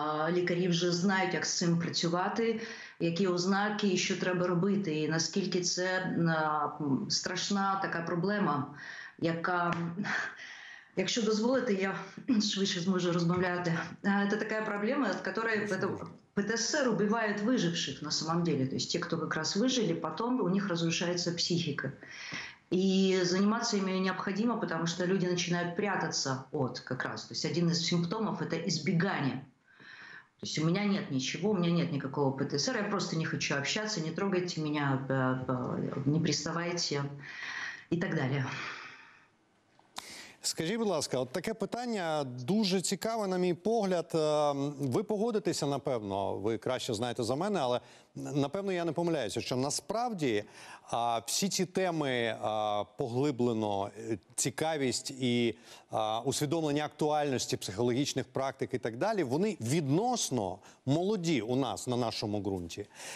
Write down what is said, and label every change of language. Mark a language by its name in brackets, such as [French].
[Ukrainian] Лікарі вже знають, як з цим працювати, які ознаки і що треба робити, і наскільки це страшна така проблема, яка, якщо дозволите, я швидше зможу розмовляти. Це така проблема, яка ПТСР [Russian] убивает [Ukrainian] виживших [Russian] на самом деле. То есть [Ukrainian] ті, хто якраз вижили, потім у них розрушається психіка. [Russian] И заниматься ими необходимо, потому что люди начинают прятаться от как раз. То есть один из симптомов – это избегание. То есть у меня нет ничего, у меня нет никакого ПТСР, я просто не хочу общаться, не трогайте меня, не приставайте и так далее. [Ukrainian] Скажіть, будь ласка, от таке питання дуже цікаве, на мій погляд. Ви погодитеся, напевно, ви краще знаєте за мене, але, напевно, я не помиляюся, що насправді всі ці теми поглиблено, цікавість і усвідомлення актуальності психологічних практик і так далі, вони відносно молоді у нас, на нашому ґрунті.